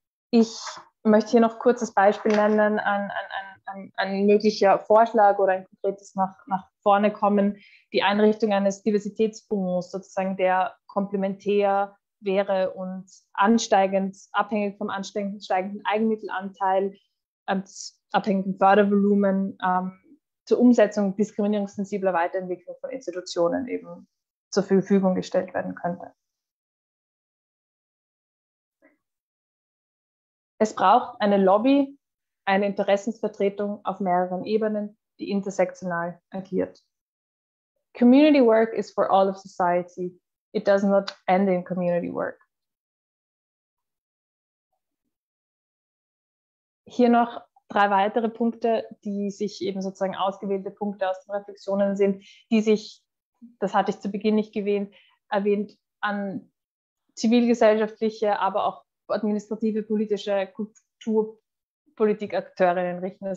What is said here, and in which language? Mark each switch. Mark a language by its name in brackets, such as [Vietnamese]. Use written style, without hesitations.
[German] Ich möchte hier noch kurz das Beispiel nennen, ein möglicher Vorschlag oder ein konkretes nach vorne kommen, die Einrichtung eines Diversitätsfonds, sozusagen der komplementär wäre und ansteigend, abhängig vom ansteigenden Eigenmittelanteil, abhängigen Fördervolumen zur Umsetzung diskriminierungssensibler Weiterentwicklung von Institutionen eben zur Verfügung gestellt werden könnte. Es braucht eine Lobby, eine Interessensvertretung auf mehreren Ebenen, die intersektional agiert. [English] Community work is for all of society. It does not end in community work. [German] Hier noch drei weitere Punkte, die sich eben sozusagen ausgewählte Punkte aus den Reflexionen sind, die sich, das hatte ich zu Beginn nicht erwähnt, an zivilgesellschaftliche, aber auch administrative, politische, Kulturpolitikakteurinnen richten.